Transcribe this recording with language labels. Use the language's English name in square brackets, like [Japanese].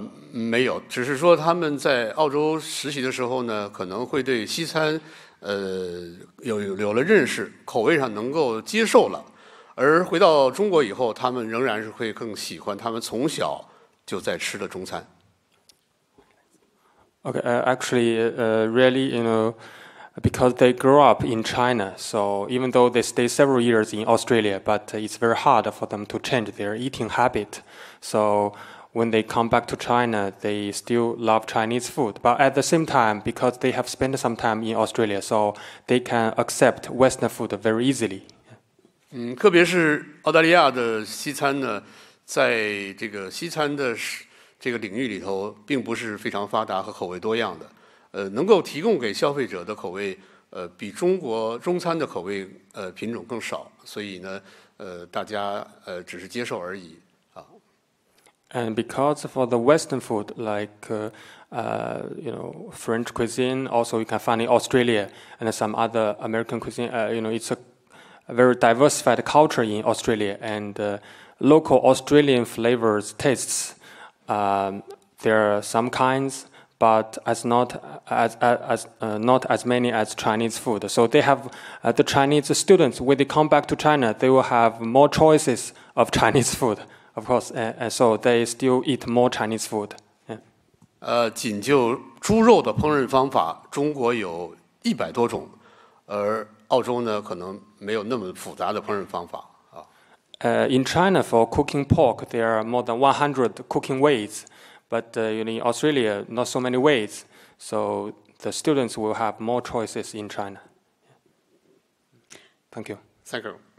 [Chinese] 没有，只是说他们在澳洲实习的时候呢，可能会对西餐有了认识，口味上能够接受了。而回到中国以后，他们仍然是会更喜欢他们从小就在吃的中餐。 [English] Okay, really, you know. Because they grew up in China, so even though they stay several years in Australia, but it's very hard for them to change their eating habit. So when they come back to China, they still love Chinese food. But at the same time, because they have spent some time in Australia, so they can accept Western food very easily. [Chinese] 特别是澳大利亚的西餐呢，在这个西餐的这个领域里头，并不是非常发达和口味多样的。能够提供给消费者的口味，比中国中餐的口味品种更少，所以呢，大家只是接受而已啊。 [English] And because for the Western food like, you know, French cuisine, also you can find in Australia and some other American cuisine. You know, it's a very diversified culture in Australia, and local Australian flavors tastes. There are some kinds. But not as many as Chinese food. So they have the Chinese students when they come back to China, they will have more choices of Chinese food, of course. And so they still eat more Chinese food. [Chinese] 仅就猪肉的烹饪方法，中国有一百多种，而澳洲呢，可能没有那么复杂的烹饪方法。 [English] In China, for cooking pork, there are more than 100 cooking ways. But you know, in Australia, not so many ways. So the students will have more choices in China. Thank you. Thank you.